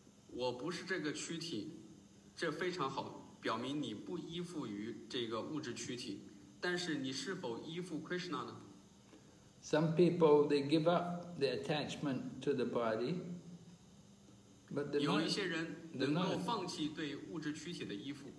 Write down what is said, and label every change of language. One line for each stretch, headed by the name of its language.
Chinese: 我不是这个躯体，这非常好，表明你不依附于这个物质躯体。但是你是否依附 Krishna 呢？
English: Some people, they give up the attachment to the body. But they're not,
Chinese: 有一些人能够放弃对物质躯体的依附。